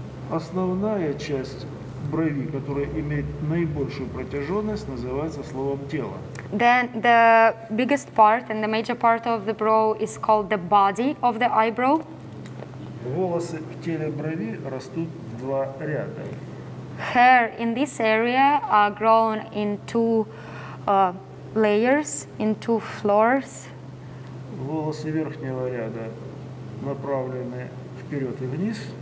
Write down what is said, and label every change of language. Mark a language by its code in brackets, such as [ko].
[ru] Основная часть брови, которая имеет наибольшую протяженность, называется словом тело. [en] Then the biggest part and the major part of the brow is called the body of the eyebrow. [ru] Волосы в теле брови растут в два ряда. [en] Hair in this area are grown in two layers, in two floors. [ru] Волосы верхнего ряда направлены вперед и вниз.